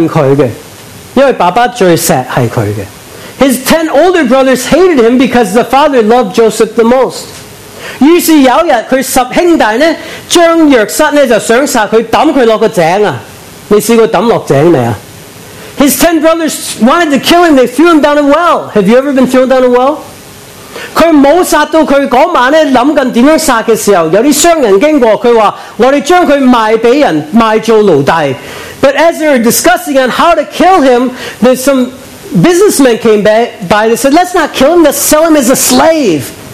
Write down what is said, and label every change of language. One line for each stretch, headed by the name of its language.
Cantonese: 他十个哥哥就是恨他的，因为爸爸最锡是他的。
English: His 10 older brothers hated him because the father loved Joseph the most.
Cantonese: 于是有一天，他十兄弟呢，将约瑟呢就想杀他，抌他落个井啊！你试过抌落井未啊？
English: His 10 brothers wanted to kill him. They threw him down a well. Have you ever been thrown down a well?
Cantonese: 他谋杀到他那晚呢，谂紧点样杀嘅时候，有啲商人经过，佢话：我哋将佢卖俾人，卖做奴隶。
English: But as they were discussing on how to kill him, there's some businessmen came by and said, let's not kill him, let's sell him as a slave.